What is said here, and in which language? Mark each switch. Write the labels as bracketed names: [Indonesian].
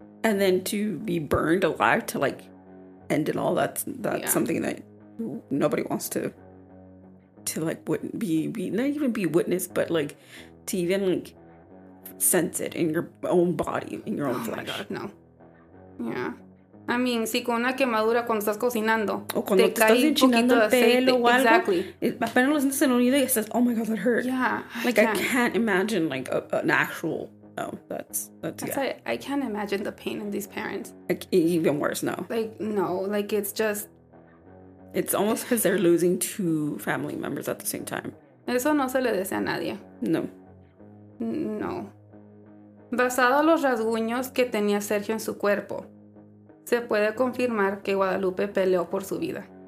[English] And then to be burned alive to, like... And in all that's yeah. something that nobody wants to like wouldn't be not even be witness, but like to even like sense it in your own body, in your own flesh. Oh my god, no. Yeah. I mean, [Spanish] si con una quemadura cuando estás cocinando, o cuando te estás enchinando el pelo o algo, [English] exactly. [Spanish] Apenas lo sientes en el oído y [English] says, oh my god, that hurt. Yeah. Like I can't imagine like an actual I can't imagine the pain in these parents. Like, even worse, no. Like, no. Like, it's just... It's almost because they're losing two family members at the same time. [Spanish] Eso no se le desea a nadie. No. No. Basado a los rasguños que tenía Sergio en su cuerpo, se puede confirmar que Guadalupe peleó por su vida.